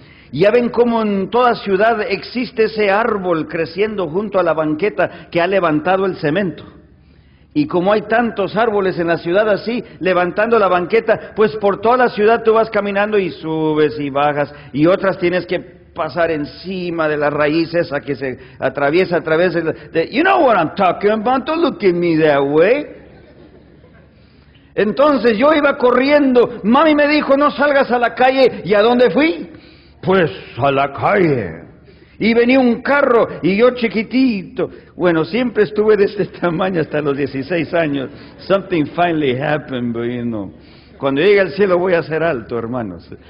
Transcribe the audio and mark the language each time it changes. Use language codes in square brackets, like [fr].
[es] Ya ven cómo en toda ciudad existe ese árbol creciendo junto a la banqueta que ha levantado el cemento. Y como hay tantos árboles en la ciudad así, levantando la banqueta, pues por toda la ciudad tú vas caminando y subes y bajas, y otras tienes que pasar encima de las raíces a que se atraviesa a través de... [en] You know what I'm talking about, don't look at me that way. [es] Entonces yo iba corriendo, mami me dijo: no salgas a la calle. ¿Y a dónde fui? Pues a la calle. Y venía un carro, y yo chiquitito, bueno, siempre estuve de este tamaño hasta los 16 años. [en] Something finally happened, but you know. [es] Cuando llegue al cielo voy a ser alto, hermanos.